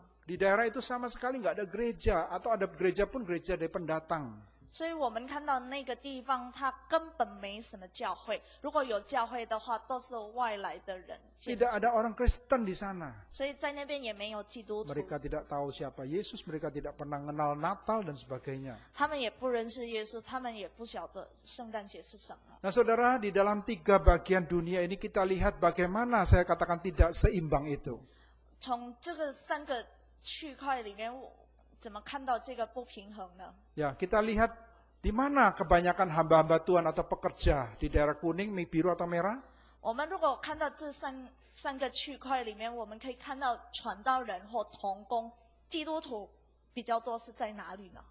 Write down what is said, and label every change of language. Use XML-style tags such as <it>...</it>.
<id>Jadi, di daerah itu sama sekali nggak ada gereja atau ada gereja pun gereja dari pendatang.</id> <zh>所以我们看到那个地方它根本没什么教会，如果有教会的话都是外来的人。</zh> <id>Tidak ada orang Kristen di sana.</id> <zh>所以在那边也没有基督徒。</zh> <id>Mereka tidak tahu siapa Yesus, mereka tidak pernah kenal Natal dan sebagainya.</id> <zh>他们也不认识耶稣，他们也不晓得圣诞节是什么。</zh> <id>Nah saudara, di dalam tiga bagian dunia ini kita lihat bagaimana saya katakan tidak seimbang itu.</id> <zh>从这个三个区块里面怎么看到这个不平衡呢？</zh> <id>Ya, kita lihat di mana kebanyakan hamba-hamba Tuhan atau pekerja di daerah kuning, biru atau merah?</id> <zh>我们如果看到这三个区块里面，我们可以看到传道人或同工、基督徒比较多是在哪里呢？</zh>